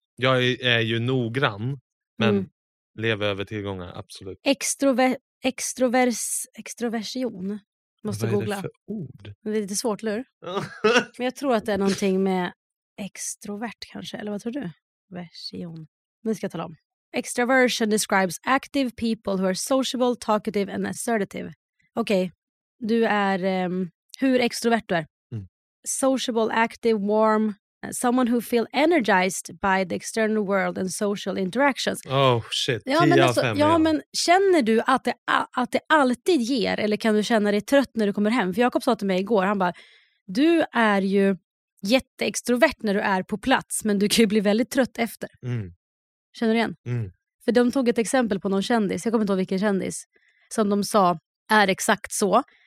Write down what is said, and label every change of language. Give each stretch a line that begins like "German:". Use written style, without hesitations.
Swedish: Jag är ju noggrann, men lever över tillgångar, absolut. Extroversion. Måste vad är googla. Det för ord? Det är lite svårt, eller? Men jag tror att det är någonting med extrovert kanske, eller vad tror du? Version. Nu ska jag tala om.
English: Extroversion describes active people who are sociable, talkative and assertive.
Swedish: Okej, okay. Du är hur extrovert du är. Mm.
English: Sociable, active, warm. Someone who feel energized by the external world and social interactions. Oh shit, 10
Swedish: av 5. Ja, men känner du att det alltid ger? Eller kan du känna dig trött när du kommer hem? För Jakob sa till mig igår, han bara, du är ju... jätteextrovert när du är på plats men du kan ju bli väldigt trött efter. Mm. Känner du igen? Mm. För de tog ett exempel på någon kändis, jag kommer inte ihåg vilken kändis, som de sa är exakt så.